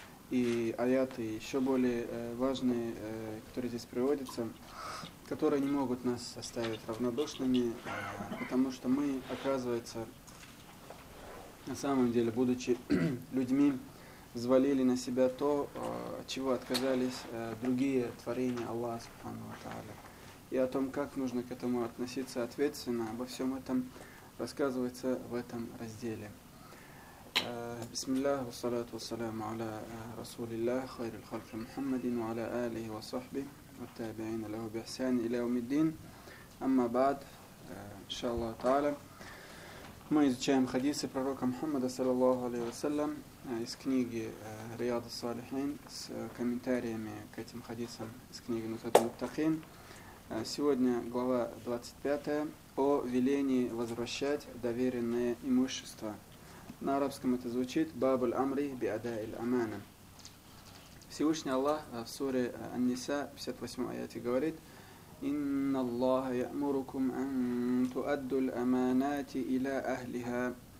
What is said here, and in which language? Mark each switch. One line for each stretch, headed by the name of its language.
Russian: И аяты еще более важные, которые здесь приводятся, которые не могут нас оставить равнодушными, потому что мы, оказывается, на самом деле, будучи людьми, взвалили на себя то, от чего отказались другие творения Аллаха Субхану ва Тааля. И о том, как нужно к этому относиться ответственно, обо всем этом рассказывается в этом разделе.
Arabic: بسم الله والصلاة والسلام على رسول الله خير الخلق محمد وعلى آله وصحبه والتابعين له بإحسان إلى يوم الدين أما بعد إن شاء الله تعالى ما
Russian: изучаем хадисы пророка Мухаммада саллаллаху алейхи ва саллям из книги
Arabic: رياض الصالحين
Russian: с комментариями к этим хадисам из книги Нусхат ат-Таккин. Сегодня глава 25 о велении возвращать доверенное имущество. На арабском это звучит «Баб аль-Амри би ада иль-Амана». Всевышний Аллах в суре Ан-Ниса, 58 аяте, говорит «Инна Аллаха ямурукум ан туадду аль-Аманати иля ахлиха».